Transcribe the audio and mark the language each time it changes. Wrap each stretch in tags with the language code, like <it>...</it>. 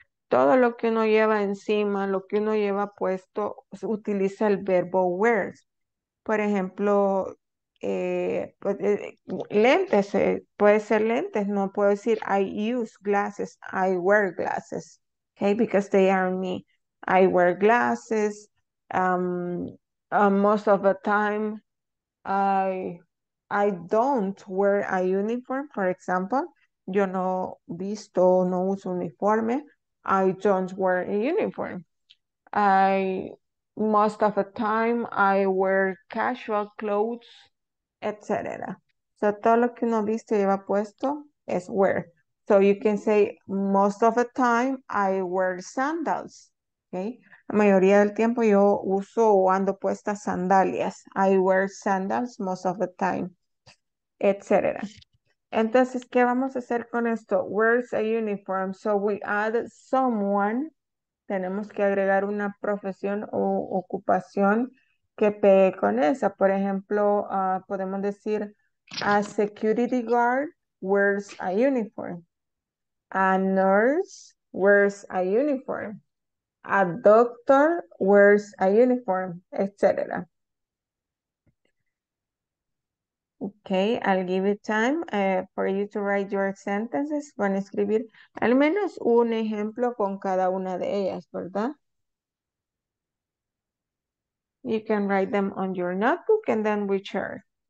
<es>Todo lo que uno lleva encima, lo que uno lleva puesto, utiliza el verbo wears. Por ejemplo, lentes, puede ser lentes, no puedo decir</es> <en>I use glasses, I wear glasses, okay, because they are me, I wear glasses, most of the time, I don't wear a uniform, for example,</en> <es>yo no visto, no uso uniforme,</es> <en>I don't wear a uniform, most of the time, I wear casual clothes, etc.</en> <es>So, todo lo que uno viste lleva puesto es wear.</es> <en>So, you can say, most of the time, I wear sandals. Okay?</en> <es>La mayoría del tiempo yo uso o ando puestas sandalias.</es> <en>I wear sandals most of the time, etc.</en> <es>Entonces, ¿qué vamos a hacer con esto?</es> <en>Wears a uniform. So, we add someone.</en> <es>Tenemos que agregar una profesión o ocupación que pegue con esa. Por ejemplo, podemos decir,</es> <en>a security guard wears a uniform. A nurse wears a uniform. A doctor wears a uniform, etc. Okay, I'll give you time for you to write your sentences.</en> <es>Van a escribir al menos un ejemplo con cada una de ellas, ¿verdad?</es> <en>You can write them on your notebook and then we share.</en>